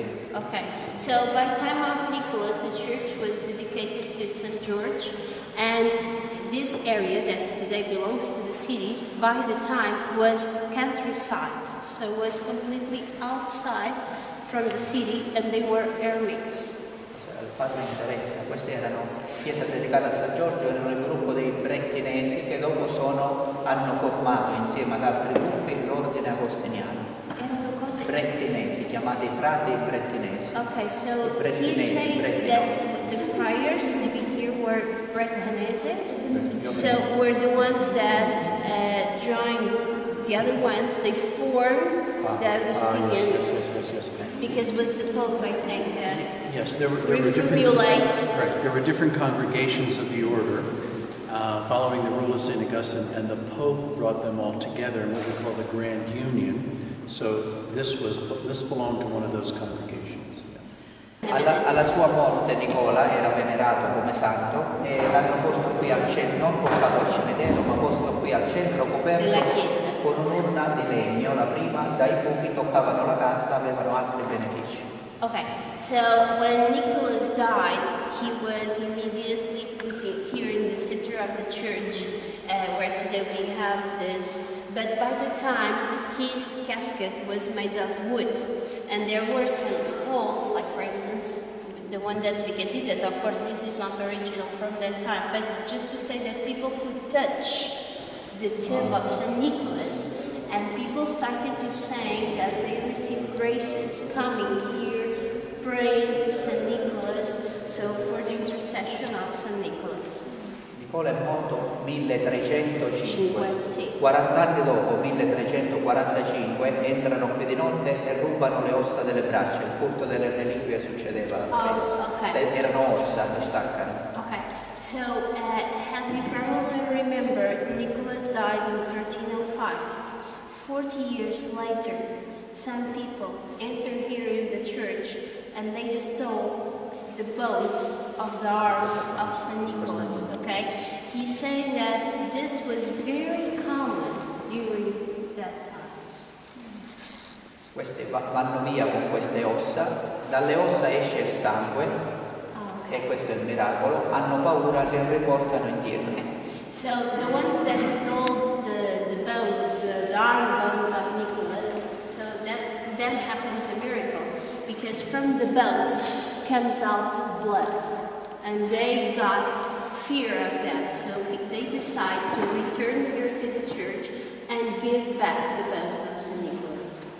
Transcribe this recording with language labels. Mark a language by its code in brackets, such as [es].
[en] Okay, so by time of Nicholas, the church was dedicated to Saint George, and this area that today belongs to the city, by the time was countryside, so it was completely outside from the city, and they were hermits. [it] Al padre interessa, queste erano chiesa dedicata a San Giorgio, erano il gruppo dei brettinesi che dopo sono, hanno formato insieme ad altri gruppi l'ordine agostiniano. Brettinesi, chiamati frati brettinesi. [en] Okay, so he's saying that the friars living here were brettinesi, so were the ones that joined the other ones, they formed the Augustinian, because was the Pope, I think, that there were different congregations of the order. Following the rule of St. Augustine, and the Pope brought them all together in what we call the Grand Union. So this belonged to one of those congregations. [it] Alla sua morte Nicola era venerato come santo e l'hanno posto qui al centro, non portato al cimitero, ma posto qui al centro coperto con un'urna di legno, la prima, dai pochi toccavano la cassa avevano altri benefici. [en] Okay, so when Nicholas died, he was immediately put here in the center of the church, where today we have this. But by the time, his casket was made of wood, and there were some holes, like for instance, the one that we can see, that of course this is not original from that time, but just to say that people could touch the tomb of Saint Nicholas, and people started to say that they received graces coming here, praying to Saint Nicholas, so for the intercession of Saint Nicholas. [it] Nicola è morto 1305. Sì. 40 anni dopo, 1345, entrano qui di notte e rubano le ossa delle braccia. Il furto delle reliquie succedeva spesso. [en] Okay. [it] Erano ossa, li staccano. [en] Okay. So, as you probably remember, Nicholas died in 1305. 40 years later, some people enter here in the church and they stole the bones of the arms of Saint Nicholas, okay? He's saying that this was very common during that times. [it] Queste vanno via con queste ossa, dalle ossa esce il sangue, [en] okay. [it] E questo è il miracolo, hanno paura, le riportano indietro. [en] Okay. So the ones that stole the bones, the arm bones of Nicholas, so then happens a miracle, because from the bones comes out blood, and they got fear of that, so they decide to return here to the church and give back the bones of Saint Nicholas.